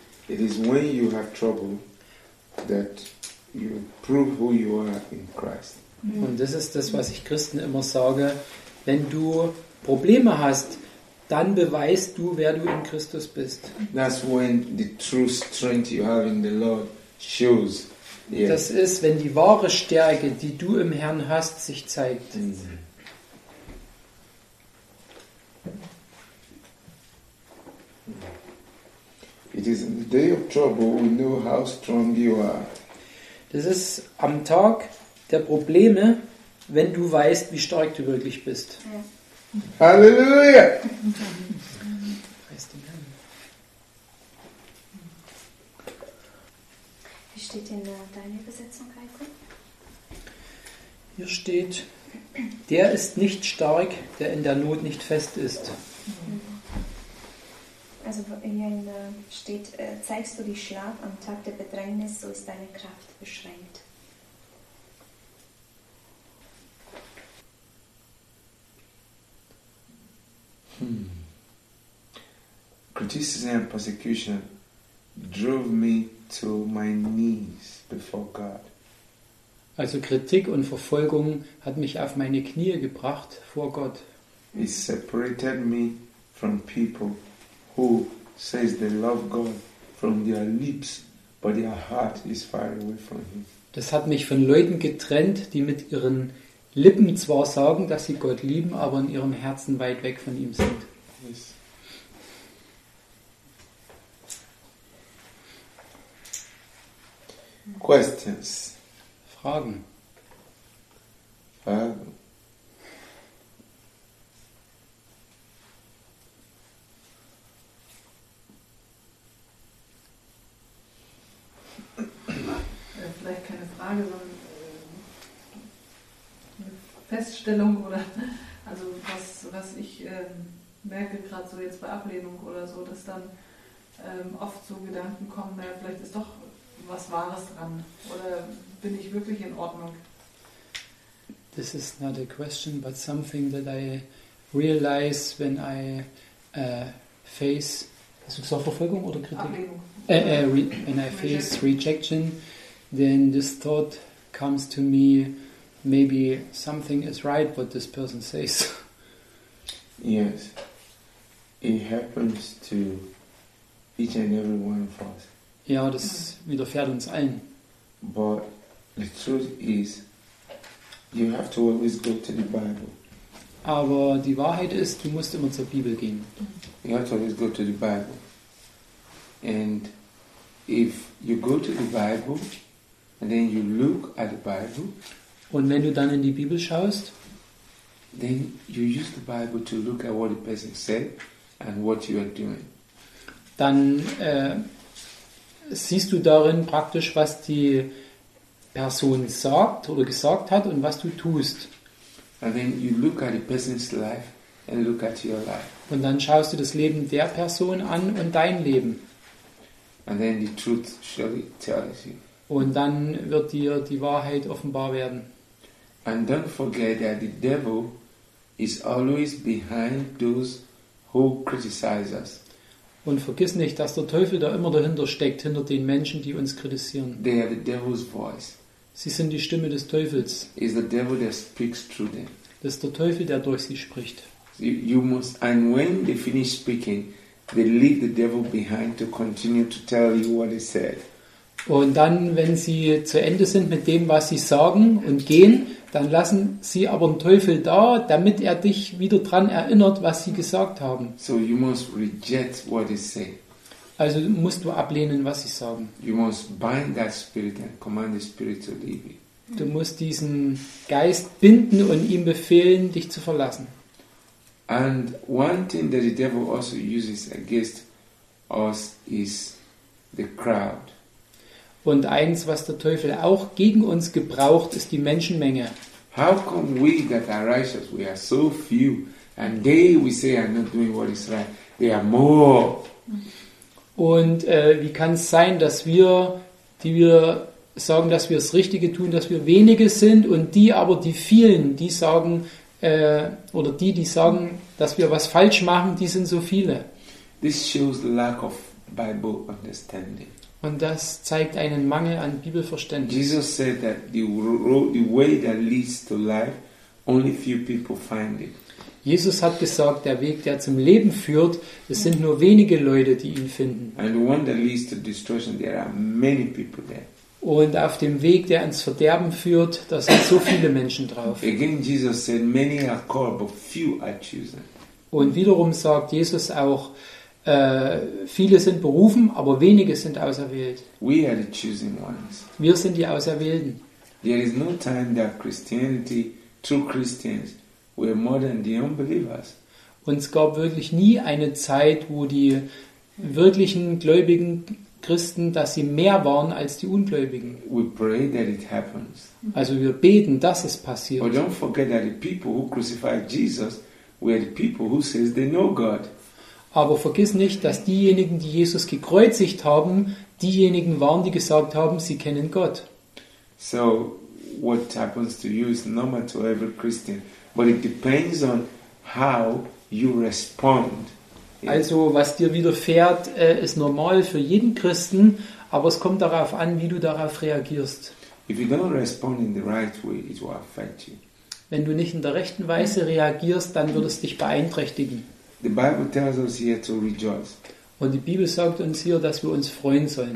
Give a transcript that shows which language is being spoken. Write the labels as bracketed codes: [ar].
[en] It is when you have trouble that you prove who you are in Christ. Mm-hmm. [de] Und das ist das, was ich Christen immer sage. Wenn du Probleme hast, dann beweist du, wer du in Christus bist. [en] That's when the true strength you have in the Lord shows. Yes. [de] Das ist, wenn die wahre Stärke, die du im Herrn hast, sich zeigt. [en] It is in the day of trouble we know how strong you are. [de] Das ist am Tag der Probleme, wenn du weißt, wie stark du wirklich bist. Ja. Halleluja! Preis dem Herrn. Wie steht denn deine Übersetzung, Heiko? Hier steht, der ist nicht stark, der in der Not nicht fest ist. Also hier steht, zeigst du dich schlaff am Tag der Bedrängnis, so ist deine Kraft beschränkt. [en] Criticism and persecution drove me to my knees before God. [de] Also Kritik und Verfolgung hat mich auf meine Knie gebracht vor Gott. [en] It separated me from people who says they love God from their lips, but their heart is far away from him. [de] Das hat mich von Leuten getrennt, die mit ihren Lippen zwar sagen, dass sie Gott lieben, aber in ihrem Herzen weit weg von ihm sind. [en] Yes. Questions. [de] Fragen. Fragen. Vielleicht keine Frage, sondern eine Feststellung oder also was ich merke, gerade so jetzt bei Ablehnung oder so, dass dann oft so Gedanken kommen, naja, vielleicht ist doch was Wahres dran? Oder bin ich wirklich in Ordnung? [en] This is not a question, but something that I realize when I face... [de] Hast du gesagt Verfolgung oder Kritik? Ablehnung. [en] When I face rejection, then this thought comes to me, maybe something is right what this person says. Mhm. Yes. It happens to each and every one of us. [de] Ja, das widerfährt uns allen. [en] But the truth is, you have to always go to the Bible. [de] Aber die Wahrheit ist, du musst immer zur Bibel gehen. [en] You have to always go to the Bible. And if you go to the Bible and then you look at the Bible, [de] und wenn du dann in die Bibel schaust, [en] then you use the Bible to look at what the person said and what you are doing. [de] Dann siehst du darin praktisch, was die Person sagt oder gesagt hat und was du tust. [en] And then you look at the person's life and look at your life. [de] Und dann schaust du das Leben der Person an und dein Leben. [en] And then the truth surely tells you. [de] Und dann wird dir die Wahrheit offenbar werden. [en] And don't forget that the devil is always behind those who criticize us. [de] Und vergiss nicht, dass der Teufel da immer dahinter steckt, hinter den Menschen, die uns kritisieren. [en] They are the devil's voice. [de] Sie sind die Stimme des Teufels. [en] It's the devil that speaks through them. [de] Das ist der Teufel, der durch sie spricht. [en] You must, and when they finish speaking, they leave the devil behind to continue to tell you what he said. [de] Und dann, wenn sie zu Ende sind mit dem, was sie sagen und gehen, dann lassen sie aber den Teufel da, damit er dich wieder dran erinnert, was sie gesagt haben. [en] So you must reject what they say. [de] Also musst du ablehnen, was sie sagen. [en] You must bind that spirit and command the spirit to leave you. [de] Du musst diesen Geist binden und ihm befehlen, dich zu verlassen. [en] And one thing that the devil also uses against us is the crowd. [de] Und eins, was der Teufel auch gegen uns gebraucht, ist die Menschenmenge. [en] How come we that are righteous, we are so few, and they we say are not doing what is right, they are more. [de] Und wie kann es sein, dass wir, die wir sagen, dass wir das Richtige tun, dass wir wenige sind und die aber die vielen, die sagen oder die sagen, dass wir was falsch machen, die sind so viele. [en] This shows the lack of Bible understanding. [de] Und das zeigt einen Mangel an Bibelverständnis. [en] Jesus said that the way that leads to life, only few people find it. [de] Jesus hat gesagt, der Weg, der zum Leben führt, es sind nur wenige Leute, die ihn finden. [en] And the one that leads to destruction, there are many people there. [de] Und auf dem Weg, der ins Verderben führt, da sind so viele Menschen drauf. [en] Again, Jesus said, many are called, but few are chosen. [de] Und wiederum sagt Jesus auch, viele sind berufen, aber wenige sind auserwählt. [en] We are the chosen ones. [de] Wir sind die Auserwählten. [en] There is no time that Christianity, true Christians, were more than the unbelievers. [de] Und es gab wirklich nie eine Zeit, wo die wirklichen gläubigen Christen, dass sie mehr waren als die Ungläubigen. [en] We pray that it happens. [de] Also wir beten, dass es passiert. [en] But don't forget that the people who crucified Jesus were the people who says they know God. [de] Aber vergiss nicht, dass diejenigen, die Jesus gekreuzigt haben, diejenigen waren, die gesagt haben, sie kennen Gott. [en] So, what happens to you is normal to every Christian, but it depends on how you respond. [de] Also, was dir widerfährt, ist normal für jeden Christen, aber es kommt darauf an, wie du darauf reagierst. [en] If you don't respond in the right way, it will affect you. [de] Wenn du nicht in der rechten Weise reagierst, dann wird es dich beeinträchtigen. [en] The Bible tells us here to rejoice. [de] Und die Bibel sagt uns hier, dass wir uns freuen sollen.